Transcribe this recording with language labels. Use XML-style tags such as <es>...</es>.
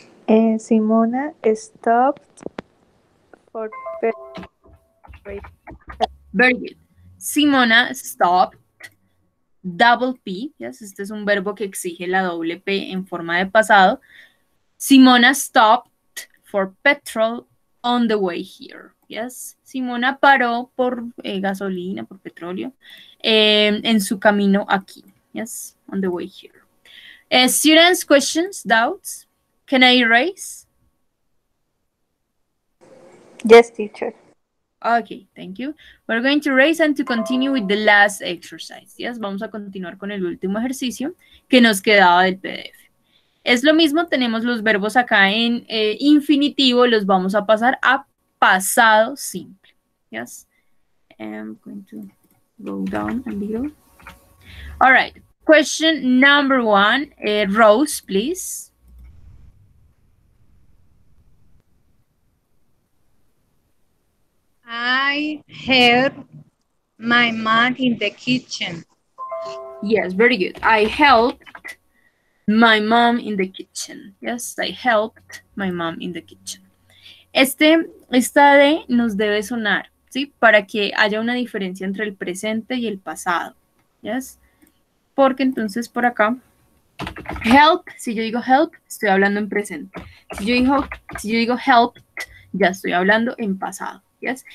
<en>Simona stopped for very good. Simona stopped double P.</en> <es>Yes, este es un verbo que exige la doble P en forma de pasado.</es> <en>Simona stopped for petrol on the way here.</en> <es>Yes, Simona paró por gasolina, por petróleo, en su camino aquí.</es> <en>Yes, on the way here. Students, questions, doubts? Can I erase? Yes, teacher. Okay, thank you. We're going to erase and to continue with the last exercise.</en> <es>Yes, vamos a continuar con el último ejercicio que nos quedaba del PDF. Es lo mismo, tenemos los verbos acá en infinitivo, los vamos a pasar a pasado simple.</es> <en>Yes, I'm going to go down a little. All right, question number one, Rose, please. I helped my mom in the kitchen. Yes, very good. I helped my mom in the kitchen. Yes, I helped my mom in the kitchen.</en> <es>Esta D nos debe sonar, ¿sí? Para que haya una diferencia entre el presente y el pasado. Yes. Porque entonces por acá, help, si yo digo help, estoy hablando en presente. Si yo digo helped, ya estoy hablando en pasado. Yes.</es>